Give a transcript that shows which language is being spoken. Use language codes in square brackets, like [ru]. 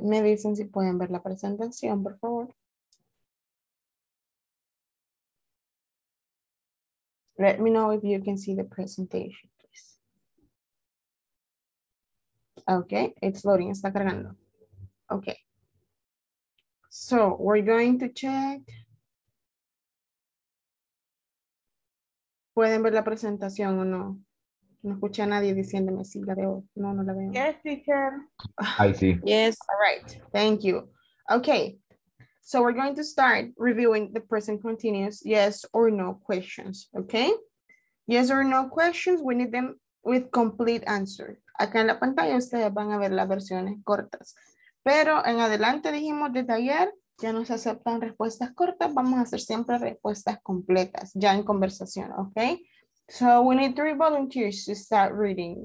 [es] Me dicen si pueden ver la presentación, por favor. [en] Let me know if you can see the presentation, please. Okay, it's loading, [es] está cargando. [en] Okay. So, we're going to check. [es] ¿Pueden ver la presentación o no? No escuché a nadie diciéndome si la veo. No, no la veo. [en] Yes, teacher. I see. Yes. All right. Thank you. Okay. So we're going to start reviewing the present continuous yes or no questions. Okay. Yes or no questions. We need them with complete answer. [es] Acá en la pantalla ustedes van a ver las versiones cortas. Pero en adelante dijimos desde ayer, ya no se aceptan respuestas cortas. Vamos a hacer siempre respuestas completas ya en conversación. [en] Okay. So we need 3 volunteers to start reading.